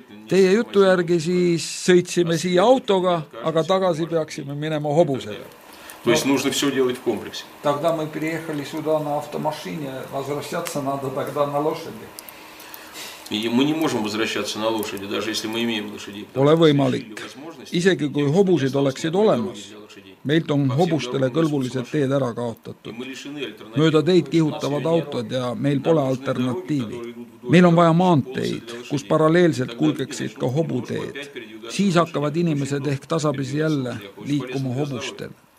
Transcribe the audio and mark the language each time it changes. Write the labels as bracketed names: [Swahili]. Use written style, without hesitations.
[Estonian] Teie jutu järgi siis sõitsime siia autoga, aga tagasi peaksime minema hobusega. [Russian] То есть нужно все делать в комплексе. Тогда мы приехали сюда на автомашине, возвращаться надо тогда на лошади. И мы не можем возвращаться на лошади, даже если мы имеем лошади. [Estonian] Pole võimalik. Isegi kui hobused oleksid olemas, meilt on hobustele kõlvulised teed ära kaotatud. Mööda teid kihutavad autod ja meil pole alternatiivi. Meil on vaja maanteid, kus paralleelselt kulgeksid ka hobuteed. Siis hakkavad inimesed ehk tasapisi jälle liikuma hobustel.